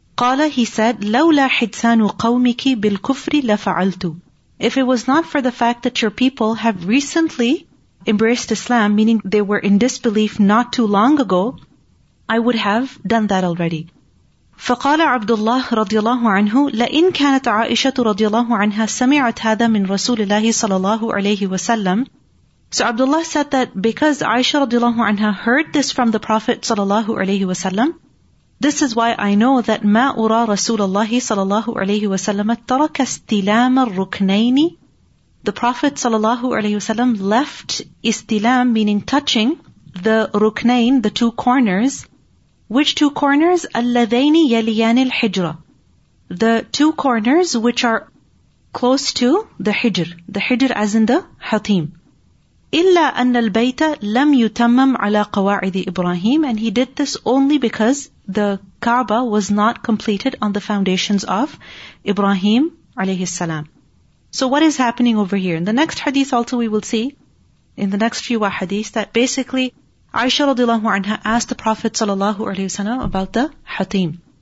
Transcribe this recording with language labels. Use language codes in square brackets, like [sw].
[en] قال, he said, [ar] لولا حدثان قومك بالكفر لفعلت, [en] if it was not for the fact that your people have recently embraced Islam, meaning they were in disbelief not too long ago, I would have done that already. [ar] فقال عبد الله رضي الله عنه لئن كانت عائشة رضي الله عنها سمعت هذا من رسول الله صلى الله عليه وسلم. [en] So Abdullah said that because Aisha رضي الله عنها heard this from the Prophet صلى الله عليه وسلم, this is why I know that [ar] ما أرى رسول الله صلى الله عليه وسلم ترك استلام الركنين. [en] The Prophet صلى الله عليه وسلم left استلام, meaning touching the ركنين, the two corners. Which two corners? [ar] اللذين يليان الحجرة. [en] The two corners which are close to the حجر. The حجر as in the حطيم. [ar] إلا أن البيت لم يتمم على قواعد إبراهيم. [en] And he did this only because the Kaaba was not completed on the foundations of Ibrahim alayhi salam. So what is happening over here? In the next hadith also we will see, in the next few hadith, that basically Aisha radiallahu anha asked the Prophet sallallahu alayhi wa sallam about the Hatim.